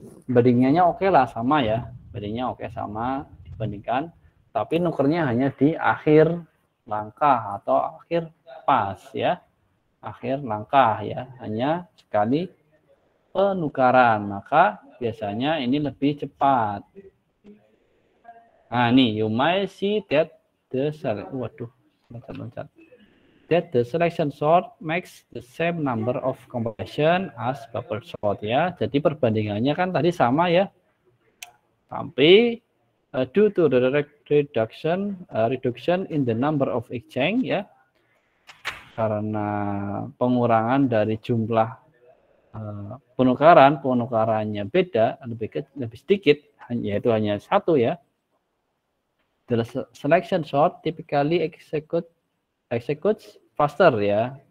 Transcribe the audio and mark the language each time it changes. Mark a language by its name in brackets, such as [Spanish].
[Indonesian] Bandingannya oke lah, sama ya. Bandingnya oke sama dibandingkan. Tapi nukernya hanya di akhir langkah atau akhir pas ya. Akhir langkah ya. Hanya sekali penukaran. Maka biasanya ini lebih cepat. [English] Nah ini, you might see that the selection. [Indonesian] Waduh, loncat-loncat. [English] That the selection sort makes the same number of combination as bubble sort ya. [Indonesian] Jadi perbandingannya kan tadi sama ya. Tapi [English] due to the reduction in the number of exchange [Indonesian] ya. Karena pengurangan dari jumlah penukarannya beda, lebih sedikit, yaitu hanya satu ya. [English] The selection sort typically executes faster ya.